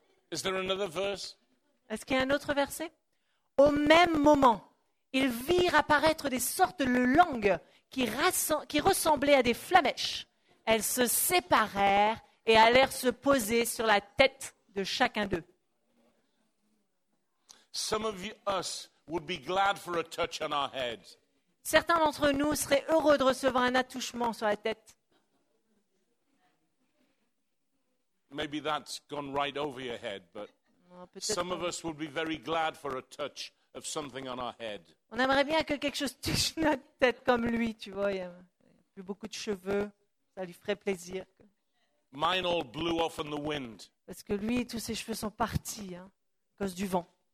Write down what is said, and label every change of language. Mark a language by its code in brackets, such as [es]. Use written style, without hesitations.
[en] Is there another verse? [fr] Est-ce qu'il y a un autre verset? Au même moment, ils virent apparaître des sortes de langues qui ressemblaient à des flammèches. Elles se séparèrent et allèrent se poser sur la tête de chacun d'eux. [en] Some of us would be glad for a touch on our heads. [fr] Certains d'entre nous seraient heureux de recevoir un attouchement sur la tête. [en] Maybe that's gone right over your head, but some of us would be very glad for a touch of something on our head. [fr] On aimerait bien que quelque chose touche notre tête comme lui, tu vois. Il a plus beaucoup de cheveux, ça lui ferait plaisir. [en] Mine all blew off in the wind. [fr] Parce que lui, tous ses cheveux sont partis, hein, à cause du vent.